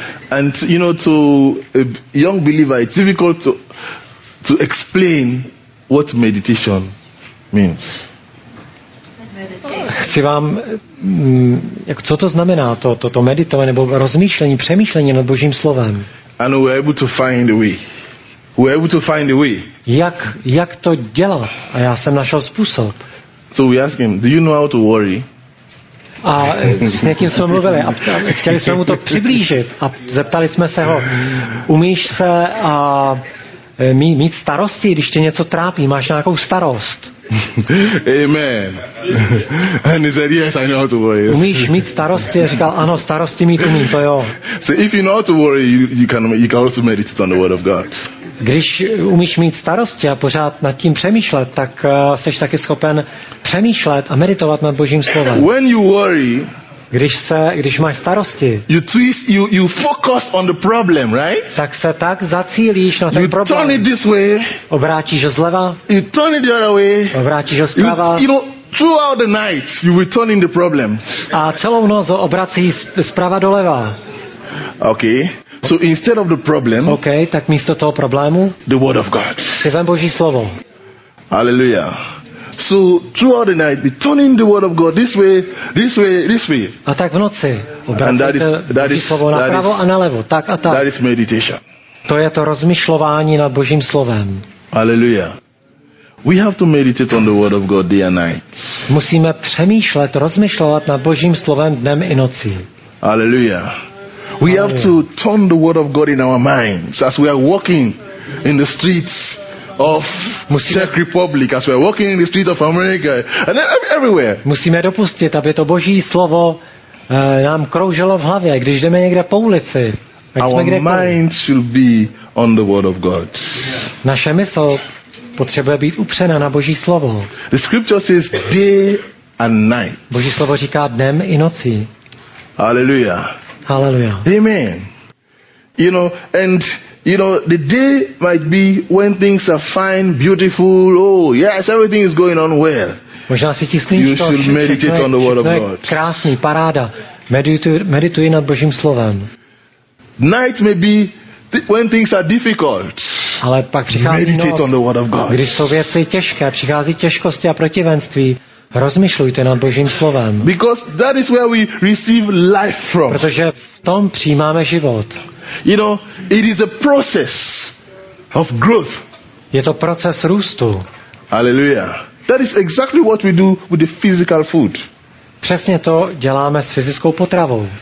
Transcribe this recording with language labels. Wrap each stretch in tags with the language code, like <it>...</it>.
<en>And you know, to a young believer, it's difficult to explain what meditation means.</en> <cs>Chci vám, co to znamená, to meditovat nebo rozmýšlení, přemýšlení nad Božím slovem.</cs> <en>And we're able to find a way. We're able to find a way.</en> <cs>Jak to dělat? A já jsem našel způsob.</cs> <en>So we ask him, do you know how to worry?</en> <cs>A s někým jsme mluvili a chtěli jsme mu to přiblížit a zeptali jsme se ho, umíš se mít starosti, když tě něco trápí, máš nějakou starost. Amen.</cs> <en>And he said, yes, I know how to worry.</en> <cs>Umíš mít starosti? Říkal, ano, starosti mít umím, to jo.</cs> <en>So if you know how to worry, you can also meditate on the word of God.</en> <cs>Když umíš mít starosti a pořád nad tím přemýšlet, tak jsi taky schopen přemýšlet a meditovat nad Božím slovem.</cs> <en>When you worry,</en> <cs>když máš starosti,</cs> <en>you focus on the problem, right?</en> <cs>Tak se tak zacílíš na ten</cs> <en>you</en> <cs>problém.</cs> <en>Turn it this way,</en> <cs>obrátíš ho zleva.</cs> <en>You turn it the other way,</en> <cs>obrátíš ho zprava.</cs> <en>Throughout the night, you return in the problem.</en> <cs>A celou noc ho obracíš zprava doleva.</cs> <en>Okay. So instead of the problem,</en> <cs>okay, tak místo toho problému,</cs> <en>the word of God.</en> <cs>Si vem Boží slovo. Hallelujah.</cs> <en>So throughout the night, be turning the word of God this way, this way, this way.</en> <cs>A tak v noci obracíte Boží slovo napravo a nalevo, tak a tak.</cs> <en>That is meditation.</en> <cs>To je to rozmyšlování nad Božím slovem. Hallelujah.</cs> <en>We have to meditate on the word of God day and night.</en> <cs>Musíme přemýšlet, rozmyšlovat nad Božím slovem dnem i nocí. Hallelujah.</cs> <en>We have to turn the word of God in our minds as we are walking in the streets of Czech Republic, as we are walking in the streets of America, and everywhere.</en> <cs>Musíme dopustit, aby to Boží slovo nám kroužilo v hlavě, když jdeme někde po ulici.</cs> <en>Our minds should be on the word of God.</en> <cs>Naše mysl potřebuje být upřena na Boží slovo.</cs> <en>The scripture says day and night.</en> <cs>Boží slovo říká dnem i noci. Hallelujah. Hallelujah. Amen.</cs> <en>You know, and you know, the day might be when things are fine, beautiful. Oh, yes, everything is going on well.</en> <cs>Možná si tiskneš to.</cs> <en>You should meditate on the word of God.</en> <cs>Krásný, paráda. Medituj nad Božím slovem.</cs> <en>Night may be when things are difficult.</en> <cs>Ale pak přichází</cs> <en>meditate</en> <cs>noc,</cs> <en>on the word of God.</en> <cs>Když jsou věci těžké, přichází těžkosti a protivenství. Rozmyšlujte nad Božím slovem. Because that is where we receive life from. Protože v tom přijímáme život. You know, it is a process of growth. Je to proces růstu. Hallelujah. That is exactly what we do with the physical food. Přesně to děláme s fyzickou potravou.</cs>